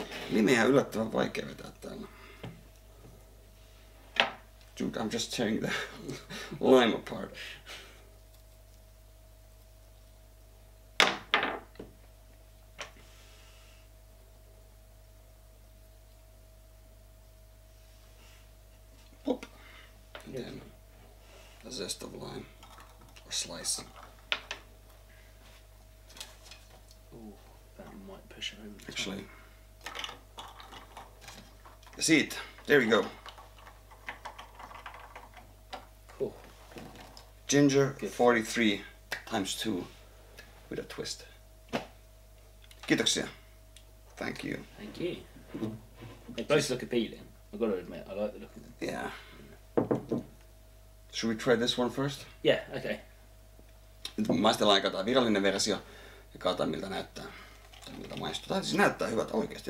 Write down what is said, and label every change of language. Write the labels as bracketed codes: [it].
[fi] Limeä yllättävän vaikea vetää täällä. [en] Dude, I'm just tearing the lime apart. Pop. And then a zest of lime or slice. Ooh, that might push it over. Actually. Top. See it? There we go. Ginger, good. 43 times 2 with a twist. [fi] Kiitoksia. [en] Thank you. Thank you. They both look appealing. I've got to admit, I like the look of them. Yeah. Should we try this one first? Yeah, okay. [fi] Nyt maistellaan aika tämä virallinen versio ja katsotaan miltä näyttää. Tai miltä maistuu. Tai siis näyttää hyvät oikeasti.